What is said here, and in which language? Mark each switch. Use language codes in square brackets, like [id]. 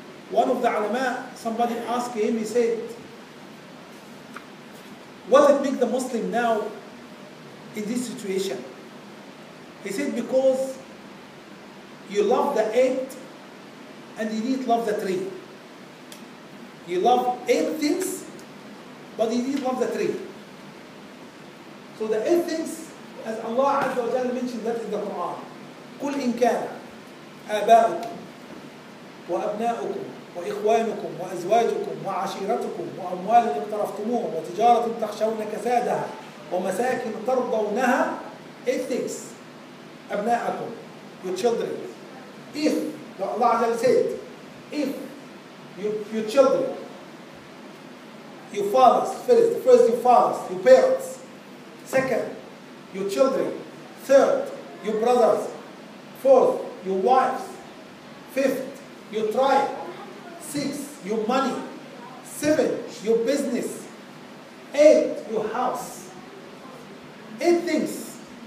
[en] One of the ulama, somebody asked him, he said, will it make the Muslim now in this situation? He said, because you love the eight and you need love the three. You love eight things, but you need love the three. So the eight things, as Allah Azza wa Jalla mentioned that in the Quran, [ar] قُلْ إِنْ كَانَ آبَاؤُكُمْ وأبناؤكم وإخوانكم وأزواجكم وعشيرتكم وأموال اقترفتموها وتجارة تخشون كسادها ومساكن ترضونها. [en] Eight things. أبناؤكم, your children. If, Allah Azza wa said, if your children, your fathers, first your fathers, your parents, second, your children, third, your brothers, fourth, your wives, fifth, your tribe, six, your money, seven, your business, eight, your house. Eight things.